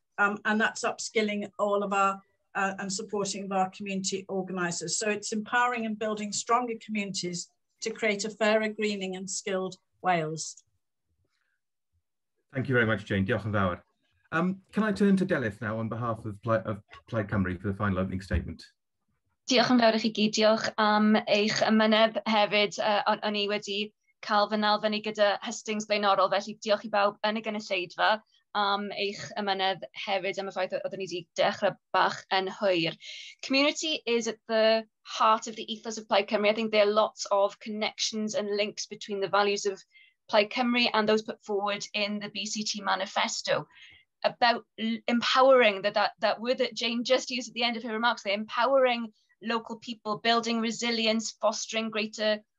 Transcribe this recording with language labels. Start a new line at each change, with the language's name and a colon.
English: And that's upskilling all of our and supporting of our community organisers. So it's empowering and building stronger communities to create a fairer, greening and skilled Wales. Thank you very much, Jane.
Welsh: Diolch yn fawr.
English: Can I turn to Delyth now on behalf of Plaid Cymru for the final opening statement?
Welsh: Diolch yn fawr I chi gyd, diolch am eich ymynedd hefyd o'n i wedi cael fy nal fyny gyda Hustings Blaenorol, felly diolch I bawb yn y gynulleidfa am eich ymynedd hefyd am y ffaith oeddwn i wedi dechrau bach yn hwyr.
English: Community is at the heart of the ethos of Plaid Cymru. I think there are lots of connections and links between the values of Plaid Cymru and those put forward in the BCT manifesto. About empowering that word that Jane just used at the end of her remarks, the empowering local people, building resilience, fostering greater